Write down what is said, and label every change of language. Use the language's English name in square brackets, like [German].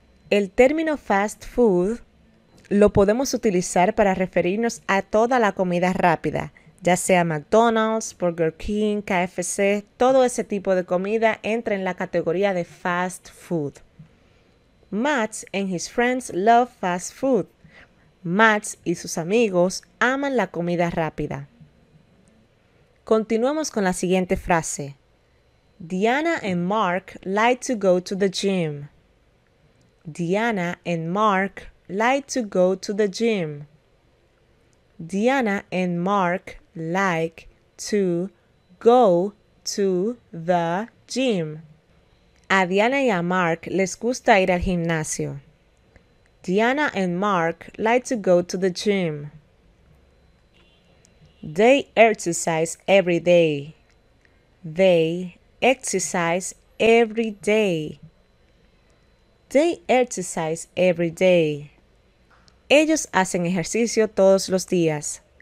[Spanish] El término fast food lo podemos utilizar para referirnos a toda la comida rápida, ya sea McDonald's, Burger King, KFC, todo ese tipo de comida entra en la categoría de fast food. [English] Mats and his friends love fast food. [Spanish] Mats y sus amigos aman la comida rápida. Continuemos con la siguiente frase. [English] Diana and Mark like to go to the gym. Diana and Mark like to go to the gym. Diana and Mark like to go to the gym. [Spanish] A Diana y a Mark les gusta ir al gimnasio. [English] Diana and Mark like to go to the gym. They exercise every day. They exercise every day. They exercise every day. [Spanish] Ellos hacen ejercicio todos los días.